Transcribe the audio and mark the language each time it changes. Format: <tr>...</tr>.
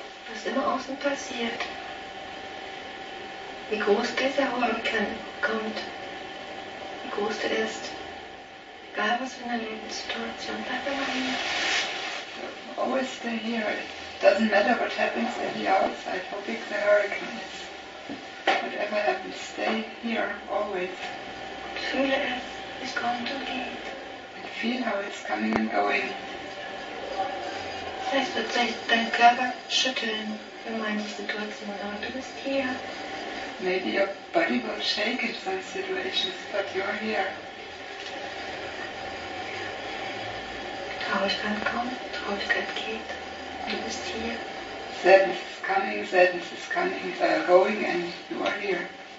<de>Was immer außen passiert, wie groß dieser Hurrikan kommt, wie groß er ist, egal was für eine Lebenssituation, bleib immer hier.</de> <en>Always stay here. It doesn't matter what happens in the outside, how big the hurricane is. Whatever happens, stay here, always.</en> <de>Und fühle es, es kommt und geht.</de> <en>And feel how it's coming and going.</en> <de>Vielleicht wird sich dein Körper schütteln in manchen Situationen, aber du bist hier.</de> <en>Maybe your body will shake in some situations, but you're here.</en> <de>Traurigkeit kommt, Traurigkeit geht, du bist hier.</de> <en>Sadness is coming, they are going and you are here.</en>